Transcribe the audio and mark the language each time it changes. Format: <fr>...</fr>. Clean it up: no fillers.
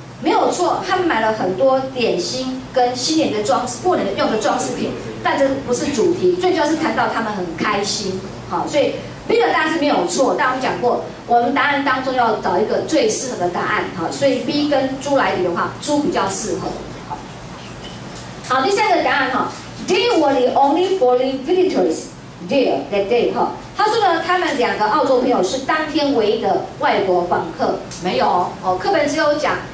<zh>没有错，他们买了很多点心跟新年的装饰、过年用的装饰品，但这不是主题，最主要是谈到他们很开心。好，所以 B 的答案是没有错，但我们讲过，我们答案当中要找一个最适合的答案。好，所以 B 跟猪来比的话，猪比较适合。好，第三个答案哈</zh> <en>，They were the only foreign visitors there that day。</en> <zh>哈，他说呢，他们两个澳洲朋友是当天唯一的外国访客，没有哦，课本只有讲。</zh>